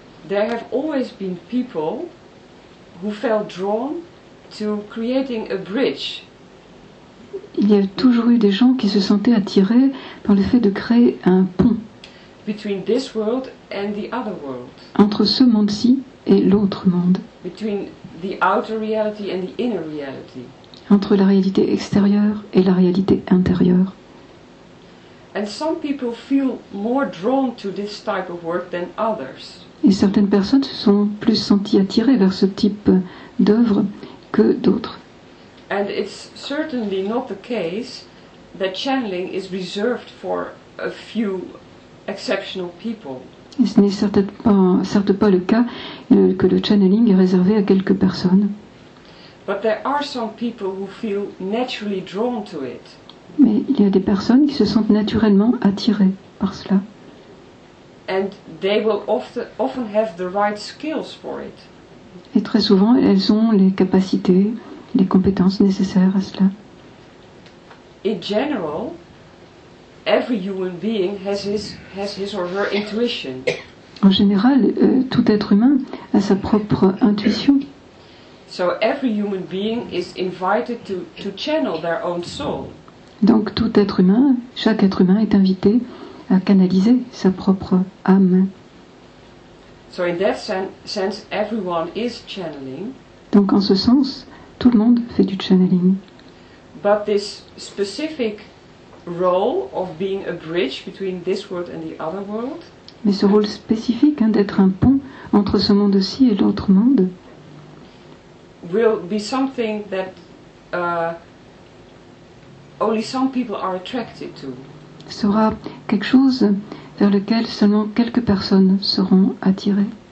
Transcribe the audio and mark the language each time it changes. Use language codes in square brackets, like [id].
[en] there have always been people who felt drawn to creating a bridge. [fr] Il y a toujours eu des gens qui se sentaient attirés par le fait de créer un pont [en] between this world and the other world. [fr] Entre ce monde-ci et l'autre monde. [en] Between the outer reality and the inner reality. [fr] Entre la réalité extérieure et la réalité intérieure. [en] And some people feel more drawn to this type of work than others. [fr] Et certaines personnes se sont plus senties attirées vers ce type d'œuvre que d'autres. [en] And it's certainly not the case that channeling is reserved for a few exceptional people. [fr] Et ce n'est certes pas le cas que le channeling est réservé à quelques personnes. [en] But there are some people who feel naturally drawn to it. [fr] Mais il y a des personnes qui se sentent naturellement attirées par cela. [en] And they will often have the right skills for it. [fr] Et très souvent, elles ont les capacités, les compétences nécessaires à cela. [en] In general, every human being has his or her intuition. [fr] En général, tout être humain a sa propre intuition. [en] So every human being is invited to channel their own soul. [fr] Donc tout être humain, chaque être humain est invité à canaliser sa propre âme. [en] So in that sense, everyone is channeling. [fr] Donc en ce sens, tout le monde fait du channeling. [en] But this specific role of being a bridge between this world and the other world. [fr] Mais ce rôle spécifique d'être un pont entre ce monde-ci et l'autre monde. [en] Will be something that. Only some people are attracted to. [fr] Sera quelque chose vers lequel seulement quelques personnes seront attirées.